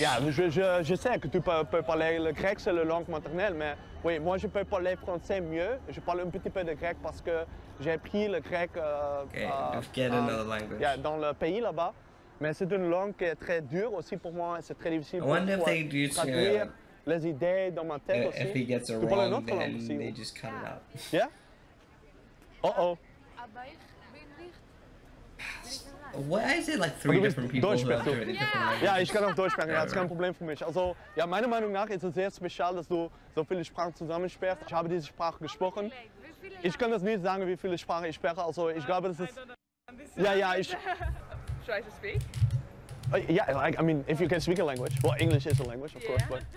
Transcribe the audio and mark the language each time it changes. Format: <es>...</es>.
<fr>Yeah, je sais que tu peux parler le grec, c'est la langue maternelle, mais oui, moi je peux parler français mieux. Je parle un petit peu de grec parce que j'ai appris le grec</fr> <en>another language.</en> <fr>Yeah, dans le pays là-bas. Mais c'est une langue qui est très dure aussi pour moi. C'est très difficile pour moi.</fr> <en>I wonder if they do</en> <fr>les idées dans ma tête aussi.</fr> <en>If he gets it wrong, then they just cut it out. Yeah? Uh-oh. Why is it like three different people</en> <de>Deutsch</de> <en>who are doing different languages? Yeah, I can</en> <de>auch Deutsch sprechen,</de> <en>that's</en> <de>kein Problem für mich. Also, ja, meiner Meinung nach ist es sehr speziell, dass du so viele Sprachen zusammensperrst. Ich habe diese Sprache gesprochen. Ich kann das nicht sagen, wie viele Sprachen ich spreche. Also, ich glaube, das ist... Ja, ja, ich...</de> <en>Should I just speak? Yeah, like, I mean, if you can speak a language. Well, English is a language, of course, but...</en>